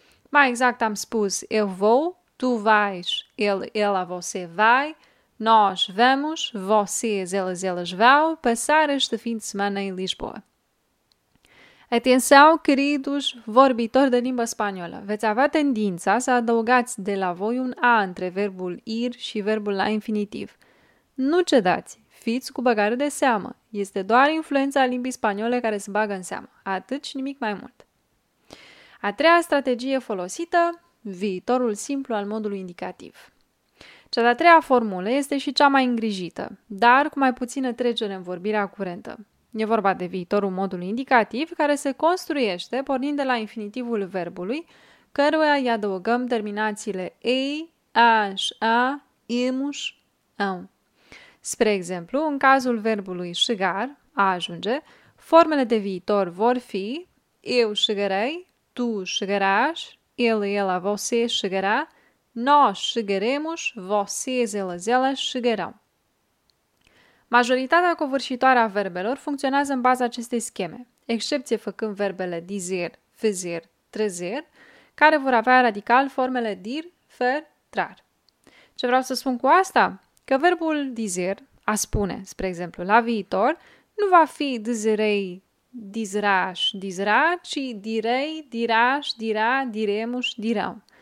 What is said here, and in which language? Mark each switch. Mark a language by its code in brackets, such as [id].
[ro] Mai exact am spus [pt] eu vou, tu vais, el, ela, você vai, nós vamos, vocês, elas, elas vão passar este fim de semana em Lisboa. [ro] Atenção, queridos vorbitori de limba spaniolă! Veți avea tendința să adăugați de la voi un A între verbul ir și verbul la infinitiv. Nu cedați! Fiți cu băgare de seamă! Este doar influența limbii spaniole care se bagă în seamă. Atât și nimic mai mult. A treia strategie folosită, viitorul simplu al modului indicativ. Cea de-a treia formulă este și cea mai îngrijită, dar cu mai puțină trecere în vorbirea curentă. E vorba de viitorul modului indicativ, care se construiește pornind de la infinitivul verbului, căruia îi adăugăm terminațiile ei, aș, a, imuș, am. Spre exemplu, în cazul verbului chegar, a ajunge, formele de viitor vor fi [pt] eu chegarei, tu chegarás, el, ela, você chegará, nós chegaremos, vocês, elas, elas chegarão. [ro] Majoritatea covârșitoare a verbelor funcționează în baza acestei scheme, excepție făcând verbele dizer, fazer, trazer, care vor avea radical formele dir, fer, trar. Ce vreau să spun cu asta? Că verbul dizer, a spune, spre exemplu, la viitor, nu va fi dizerei, dizraș, dizra, [pt] ci direi, diraș, dira, diremos, dirão.